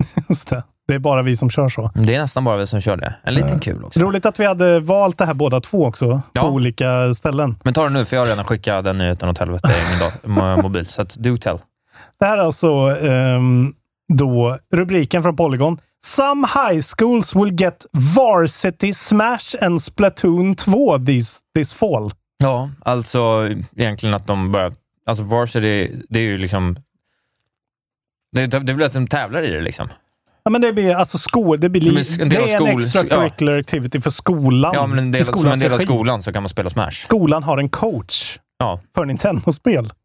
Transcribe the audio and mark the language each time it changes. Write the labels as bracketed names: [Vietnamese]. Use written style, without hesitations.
[Swedish] Just det. Det är bara vi som kör så. Det är nästan bara vi som kör det. En liten kul också. Roligt att vi hade valt det här båda två också. Ja. På olika ställen. Men ta det nu, för jag har redan skickat den nyheten åt helvete i min mobil. Så att [English] do tell. [Swedish] Det här är alltså då rubriken från Polygon. [English] Some high schools will get Varsity Smash and Splatoon 2 this fall. [Swedish] Ja, alltså egentligen att de börjar... Alltså Varsity, det är ju liksom... Det blir att de tävlar i det liksom. Ja, men det blir alltså extracurricular activity för skolan. Ja, men det är som en del av skolan så kan man spela Smash. Skolan har en coach för Nintendo-spel.